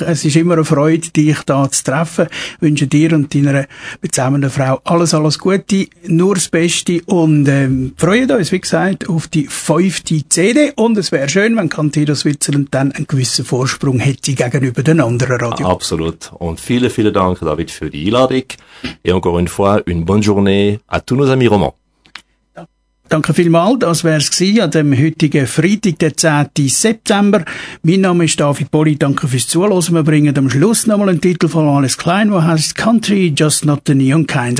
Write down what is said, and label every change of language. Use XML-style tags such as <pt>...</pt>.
<de>Es ist immer eine Freude, dich da zu treffen. Ich wünsche dir und deiner bezaubernden Frau alles, alles Gute, nur das Beste. Und freut uns, wie gesagt, auf die 5. CD. Und es wäre schön, wenn Cantina Switzerland dann einen gewissen Vorsprung hätte gegenüber den anderen Radio. Absolut. Und vielen, vielen Dank, David, für die Einladung.</de> <fr>Et encore une fois, une bonne journée à tous nos amis romans.</fr> <de>Danke vielmals, das wär's gsi an dem heutigen Freitag, den 10. September. Mein Name ist David Bolli, danke fürs Zuhören. Wir bringen am Schluss nochmal einen Titel von Alles Klein, wo heißt Country, Just Not the Neon Kind.</de>